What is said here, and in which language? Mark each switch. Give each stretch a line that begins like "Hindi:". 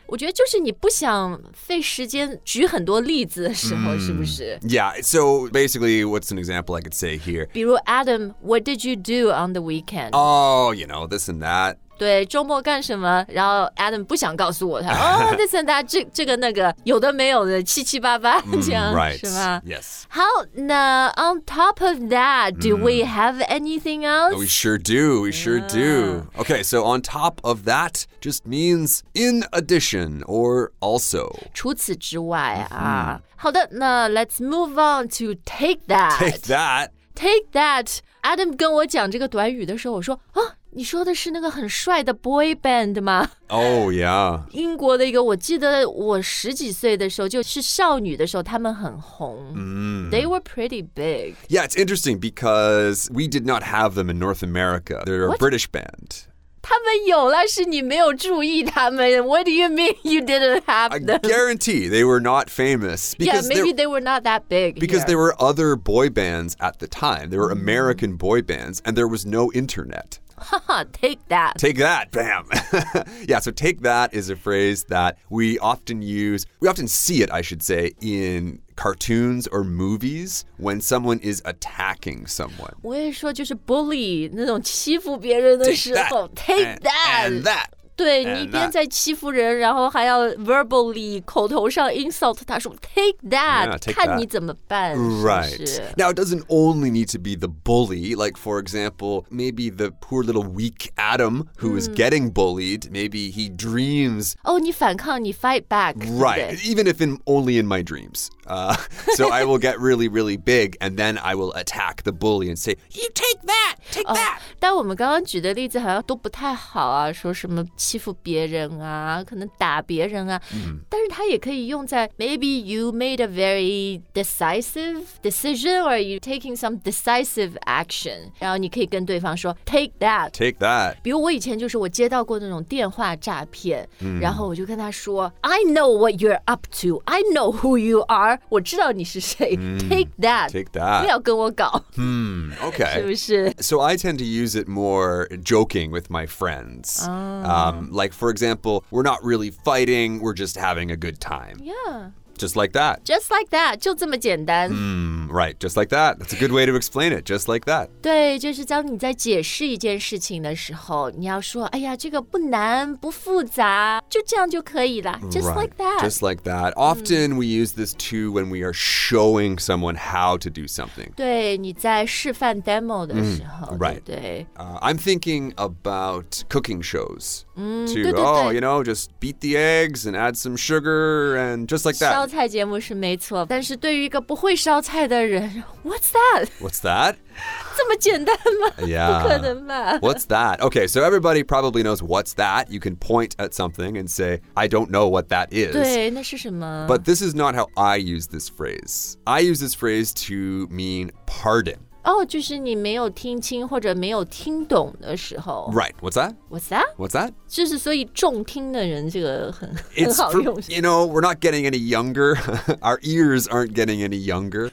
Chinese: 我觉得就是你不想费时间举很多例子的时候、是不是
English: Yeah so basically what's an example I could say here 比如 Adam What did you do on the weekend Oh you know this and that
Chinese: 对周末干什么然后 Adam 不想告诉我他this and that 这个那个有的没有的七七八八这样、
English: right.
Chinese: 是吗
English: Yes 好那 on top of that do we have anything else? We sure do Okay so on top of that just means in addition or also
Chinese: 除此之外啊、好的那
English: let's move on to take that Take that
Chinese: Adam 跟我讲这个短语的时候我说啊你说的是那个很帅的 boy band 吗？
English: 哦、oh, yeah.
Chinese: 英国的一个，我记得我十几岁的时候，就是少女的时候，他们很红。
English: They were pretty big. Yeah, it's interesting because we did not have them in North America. They're a、 What? British band.
Chinese: 他们有了，是你没有注意他们。
English: What do you mean you didn't have them? I guarantee they were not famous. Because yeah, maybe they were not that big. Because、 here. there were other boy bands at the time. There were American、mm-hmm. boy bands, and there was no internet. Take that. Take that, bam. Yeah, so take that is a phrase that we often use. We often see it, I should say, in... cartoons or movies when someone is attacking someone.
Chinese: 我也说就是 bully 那种欺负别人的时候
English: take that.
Chinese: 对你一边在欺负人然后还要 verbally 口头上 insult 他说 take that,
English: yeah, take
Chinese: 看你怎么办
English: Right.
Chinese: 是不是
English: Now it doesn't only need to be the bully, like for example, maybe the poor little weak Adam who、mm. is getting bullied, maybe he dreams.
Chinese: Oh, 你反抗你 fight back.
English: Right,
Chinese: 对对
English: even if in, only in my dreams. So I will get really, really big, and then I will attack the bully and say, you take that, take that.
Chinese: 但我们刚刚举的例子好像都不太好啊，说什么欺负别人啊，可能打别人啊。但是它也可以用在
English: maybe you made a very decisive decision or you taking some decisive action.
Chinese: 然后你可以跟对方说 take that.
English: Take that.
Chinese: 比如我以前就是我接到过那种电话诈骗，然后我就跟他说
English: I know what you're up to. I know who you are.
Chinese: 我知道你是谁
English: take that. Take that.
Chinese: 不要跟我搞
English: okay.
Chinese: 是不是
English: So I tend to use it more joking with my friends. Like for example, we're not really fighting, we're just having a good time. Yeah. Just like that. Just like that,
Chinese: 就这么简单。
English: Right, just like that. That's a good way to explain it, just like that.
Chinese: 对，就是当你在解释一件事情的时候，你要说，哎呀，这个不难，不复杂，就这样就可以了。
English: Just right, like that. Just like that. Often we use this too when we are showing someone how to do something.
Chinese: 对，你在示范 demo 的时候。
English: Right.
Chinese: 对。
English: I'm thinking about cooking shows too. Oh, you know, just beat the eggs and add some sugar and just like that.
Chinese: 烧菜节目是没错，但是对于一个不会烧菜的人 ，
English: What's that? What's that?
Chinese: 这么简单吗
English: ？Yeah,
Chinese: 不可能吧
English: ？What's that? Okay, so everybody probably knows what's that. You can point at something and say, "I don't know what that is."
Chinese: 对，那是什么
English: ？But this is not how I use this phrase. I use this phrase to mean pardon.
Chinese: Oh, 就是你没有听清或者没有听懂的时候。
English: Right. What's that? What's that? What's that?
Chinese: 就是所以重听的人这个很好用
English: for, You know, we're not getting any younger Our ears aren't getting any younger